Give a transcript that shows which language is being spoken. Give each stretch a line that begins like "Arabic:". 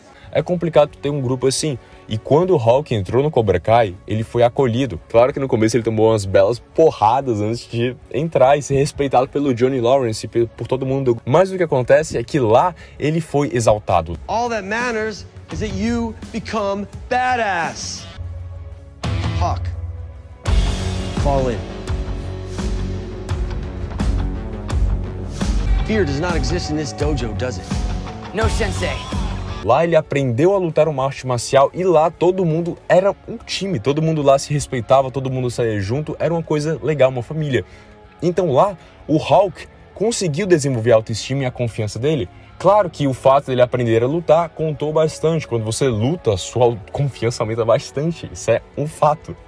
Portuguese: É complicado ter um grupo assim. E quando o Hulk entrou no Cobra Kai, ele foi acolhido. Claro que no começo ele tomou umas belas porradas antes de entrar e ser respeitado pelo Johnny Lawrence e por todo mundo. Mas o que acontece é que lá ele foi exaltado.
English: All that matters is that you become badass. Hulk, fall in. Fear does not exist in this dojo, does it? No sensei.
Portuguese: Lá ele aprendeu a lutar uma arte marcial e lá todo mundo era um time, todo mundo lá se respeitava, todo mundo saía junto, era uma coisa legal, uma família. Então lá o Hulk conseguiu desenvolver a autoestima e a confiança dele. Claro que o fato dele aprender a lutar contou bastante. Quando você luta, sua confiança aumenta bastante, isso é um fato.